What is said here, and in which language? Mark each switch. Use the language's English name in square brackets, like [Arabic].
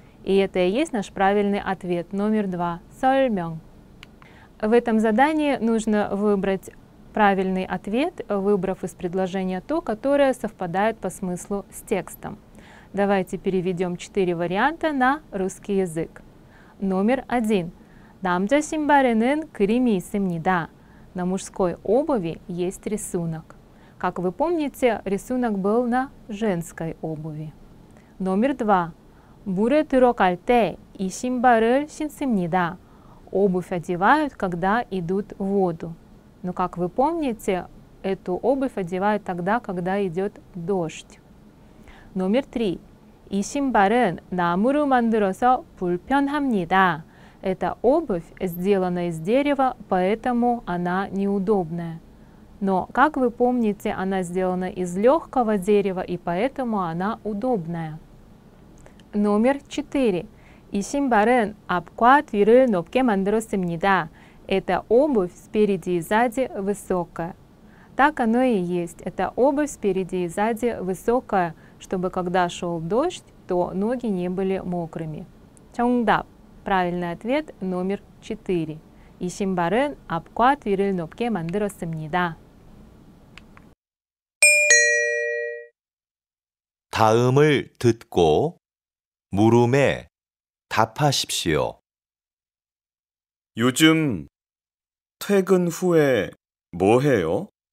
[Russian] И это и есть наш правильный ответ. Номер два. Сольмён. В этом задании нужно выбрать правильный ответ, выбрав из предложения то, которое совпадает по смыслу с текстом. Давайте переведем 4 варианта на русский язык. Номер 1. [Korean] 남자 신발에는 그림이 있습니다. [Russian] На мужской обуви есть рисунок. Как вы помните, рисунок был на женской обуви. Номер 2. [Korean] 물에 들어갈 때 이 신발을 신습니다. [Russian] Обувь одевают, когда идут в воду. Но, как вы помните, эту обувь одевают тогда, когда идет дождь. Номер 3. [Korean] 이 신발은 나무로 만들어서 불편합니다. [Russian] Эта обувь сделана из дерева, поэтому она неудобная. Но, как вы помните, она сделана из легкого дерева, и поэтому она удобная. Номер 4. [Korean] 이 신발은 앞과 뒤를 높게 만들었습니다. [Russian] Эта обувь спереди и сзади высокая. Так оно и есть. Эта обувь спереди и сзади высокая, чтобы когда шел дождь, то ноги не были мокрыми. [Korean] 정답. [Russian] Правильный ответ номер 4. [Korean] 이 신발은 앞과 뒤를 높게 만들었습니다. 다음을 듣고 물음에 답하십시오. 요즘 퇴근 후에 뭐 해요?